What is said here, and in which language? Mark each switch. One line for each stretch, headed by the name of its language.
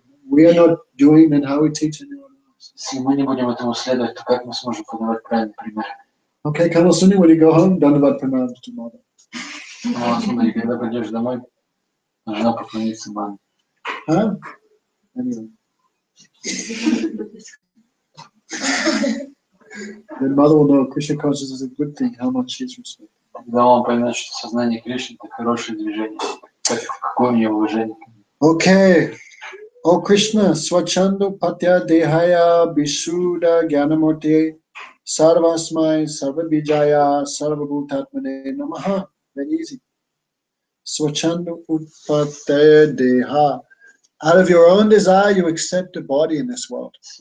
English: We are not doing, then how we teach anyone else?
Russian: Если мы не будем этому следовать, то как мы сможем подавать правильный пример?
English: Okay, Colonel Sunny, when you go home, don't about pronouns to mother.
Russian: Когда придешь домой, нужно поклониться маме.
English: Huh? Anyway. Then mother will know Krishna consciousness is a good thing, how much she's respected.
Russian: Да, он поймет, что сознание Кришны это хорошее движение. Какое у нее уважение.
English: Okay.
Sanskrit: О Кришна, свачанду патя дехая бисуда гьянамурти сарвасмай сарвабиджая сарвабхутатмане намаха.
English: Very easy.
Sanskrit: Свачанду патя деха.
English: Out of your own desire, you accept a body in this world.